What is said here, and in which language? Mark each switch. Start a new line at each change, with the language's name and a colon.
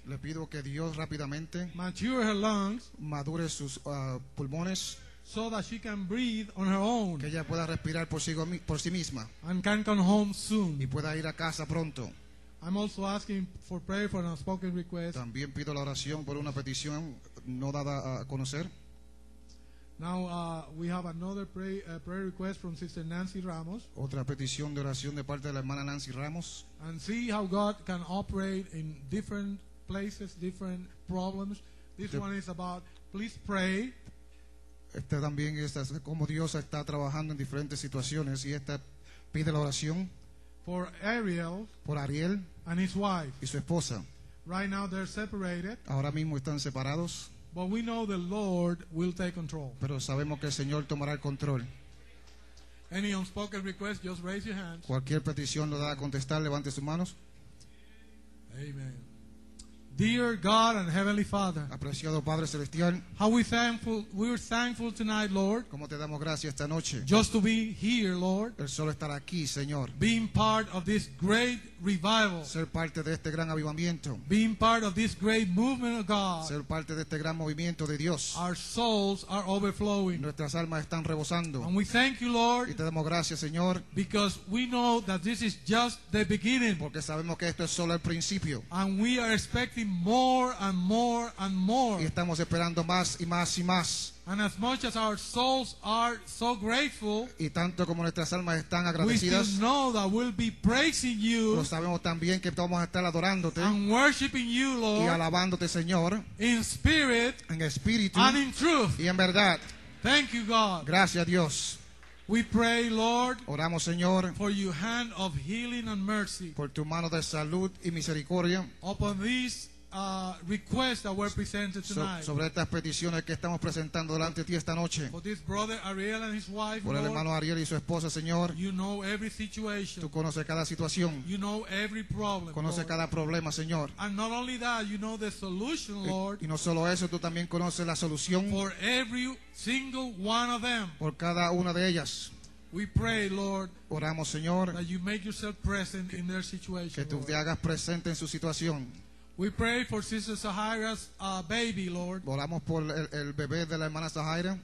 Spanish: le pido que Dios rápidamente
English: mature her lungs,
Spanish: madure sus pulmones,
English: so that she can breathe on her own,
Spanish: que ella pueda respirar por sí misma,
English: and can come home soon,
Spanish: y pueda ir a casa pronto.
English: I'm also asking for prayer for an unspoken request.
Spanish: También pido la oración por una petición no dada a conocer.
English: Now we have another prayer request from Sister Nancy Ramos. Otra petición de oración de parte de la hermana Nancy Ramos. And see how God can operate in different places, different problems. This one is about, please pray.
Spanish: Esta también es como Dios está trabajando en diferentes situaciones y esta pide la oración.
English: For Ariel.
Spanish: Por Ariel.
English: And his wife.
Spanish: Y su esposa.
English: Right now they're separated.
Spanish: Ahora mismo están separados.
English: But we know the Lord will take control.
Spanish: Pero sabemos que el Señor tomará el control.
English: Any unspoken request, just raise your hands.
Spanish: Cualquier petición lo da a contestar, levante sus manos.
English: Amen. Dear God and Heavenly Father.
Spanish: Apreciado Padre Celestial.
English: How we're thankful tonight, Lord.
Spanish: Como te damos gracias esta noche.
English: Just to be here, Lord.
Spanish: El solo estar aquí, Señor.
English: Being part of this great revival.
Spanish: Ser parte de este gran avivamiento.
English: Being part of this great movement of God.
Spanish: Ser parte de este gran movimiento de Dios.
English: Our souls are overflowing.
Spanish: Nuestras almas están rebosando.
English: And we thank you, Lord.
Spanish: Y te damos gracias, Señor.
English: Because we know that this is just the beginning.
Spanish: Porque sabemos que esto es solo el principio.
English: And we are expecting more and more and more.
Spanish: Y estamos esperando más y más y más.
English: And as much as our souls are so grateful,
Spanish: y tanto como nuestras almas están agradecidas,
English: we still know that we'll be praising you.
Spanish: Lo sabemos también que vamos a estar adorándote.
English: And worshiping you, Lord.
Spanish: Y alabándote, Señor.
English: In spirit.
Spanish: En espíritu.
English: And in truth.
Spanish: Y en verdad.
English: Thank you, God.
Spanish: Gracias, Dios.
English: We pray, Lord,
Spanish: oramos, Señor,
English: for your hand of healing and mercy,
Spanish: por tu mano de salud y misericordia,
English: upon these requests that were presented tonight.
Spanish: Sobre estas peticiones que estamos presentando delante de ti esta noche.
English: For this brother Ariel and his wife,
Spanish: por
English: Lord,
Spanish: el hermano Ariel y su esposa, Señor.
English: You know every situation.
Spanish: Tú conoces cada situación.
English: You know every problem.
Spanish: Conoces
English: Lord.
Spanish: Cada problema, Señor.
English: And not only that, you know the solution, Lord.
Spanish: Y no solo eso, tú también conoces la solución.
English: For every single one of them.
Spanish: Por cada una de ellas.
English: We pray, Lord,
Spanish: oramos, Señor,
English: that you make yourself present in their situation.
Spanish: Que tú te hagas presente en su situación.
English: We pray for Sister Zahira's baby, Lord.
Spanish: Oramos por el bebé de la hermana Zahira.